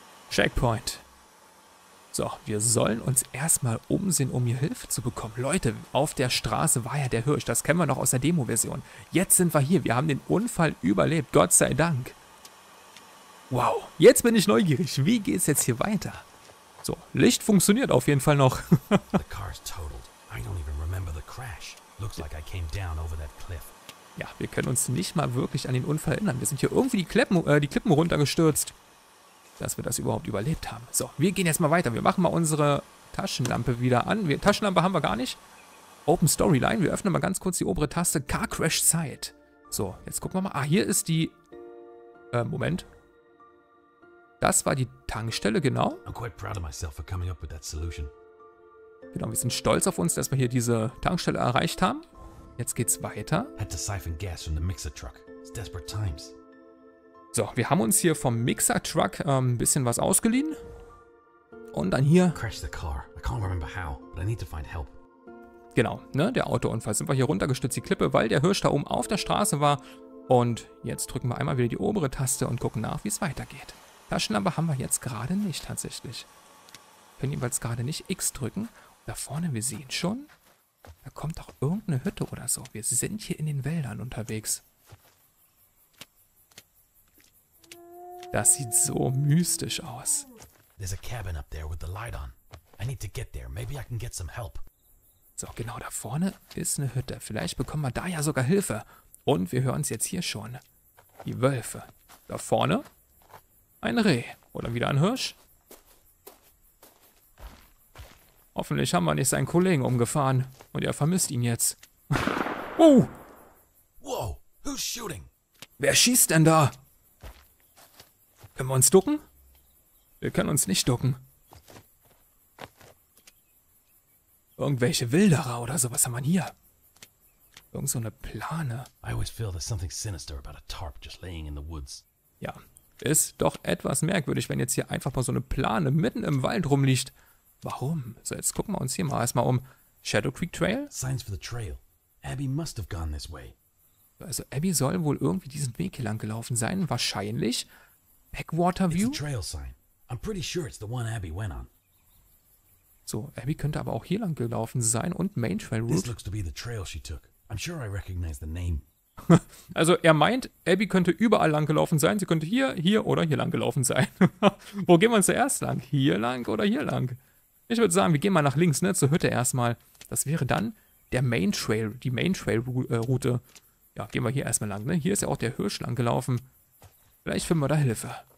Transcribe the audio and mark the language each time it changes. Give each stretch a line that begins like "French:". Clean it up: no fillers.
German: Checkpoint. So, wir sollen uns erstmal umsehen, um hier Hilfe zu bekommen. Leute, auf der Straße war ja der Hirsch. Das kennen wir noch aus der Demo-Version. Jetzt sind wir hier. Wir haben den Unfall überlebt. Gott sei Dank. Wow, jetzt bin ich neugierig. Wie geht es jetzt hier weiter? So, Licht funktioniert auf jeden Fall noch.
English: The car's totaled. I don't even remember the crash. Looks like I came down over that cliff.
German: Ja, wir können uns nicht mal wirklich an den Unfall erinnern. Wir sind hier irgendwie die Klippen runtergestürzt. Dass wir das überhaupt überlebt haben. So, wir gehen jetzt mal weiter. Wir machen mal unsere Taschenlampe wieder an. Taschenlampe haben wir gar nicht. Open Storyline. Wir öffnen mal ganz kurz die obere Taste. Car Crash Site. So, jetzt gucken wir mal. Ah, hier ist die... Moment. Das war die Tankstelle, genau.
English: I'm quite proud of myself for coming up with that solution.
German: Genau, wir sind stolz auf uns, dass wir hier diese Tankstelle erreicht haben. Jetzt geht's weiter.
English: Had to siphon gas from the mixer truck. It's desperate times.
German: So, wir haben uns hier vom Mixer-Truck ein bisschen was ausgeliehen. Und dann hier...
English: Crash the car. I can't remember how, but I need to find help.
German: Genau, ne, der Autounfall. Sind wir hier runtergestützt, die Klippe, weil der Hirsch da oben auf der Straße war. Und jetzt drücken wir einmal wieder die obere Taste und gucken nach, wie es weitergeht. Taschenlampe haben wir jetzt gerade nicht, tatsächlich. Können jedenfalls gerade nicht X drücken. Da vorne, wir sehen schon, da kommt doch irgendeine Hütte oder so. Wir sind hier in den Wäldern unterwegs. Das sieht so mystisch aus.
English: There's a cabin up there with the light on. I need to get there. Maybe I can get some help.
German: So, genau, da vorne ist eine Hütte. Vielleicht bekommen wir da ja sogar Hilfe. Und wir hören es jetzt hier schon. Die Wölfe. Da vorne ein Reh. Oder wieder ein Hirsch. Hoffentlich haben wir nicht seinen Kollegen umgefahren. Und er vermisst ihn jetzt. Oh!
English: Whoa! Who's shooting?
German: Wer schießt denn da? Können wir uns ducken? Wir können uns nicht ducken. Irgendwelche Wilderer oder so, was haben wir hier? Irgend so eine Plane. I always feel there's something sinister about a tarp just laying in the woods. Ja, ist doch etwas merkwürdig, wenn jetzt hier einfach mal so eine Plane mitten im Wald rumliegt. Warum? So, jetzt gucken wir uns hier mal erstmal um.
English: Shadow Creek Trail? Signs for the trail. Abby must have gone this way.
German: Also Abby soll wohl irgendwie diesen Weg hier lang gelaufen sein, wahrscheinlich.
English: Backwater View? It's a trail sign. I'm pretty sure it's the one Abby went on.
German: So, Abby könnte aber auch hier lang gelaufen sein und Main Trail Route.
English: This looks to be the trail she took. I'm sure I recognize the name.
German: Also er meint, Abby könnte überall lang gelaufen sein. Sie könnte hier, hier oder hier lang gelaufen sein. Wo gehen wir uns zuerst lang? Hier lang oder hier lang? Ich würde sagen, wir gehen mal nach links, ne, zur Hütte erstmal. Das wäre dann der Main Trail, die Main Trail Route. Ja, gehen wir hier erstmal lang, ne? Hier ist ja auch der Hirsch lang gelaufen. Vielleicht finden wir da Hilfe.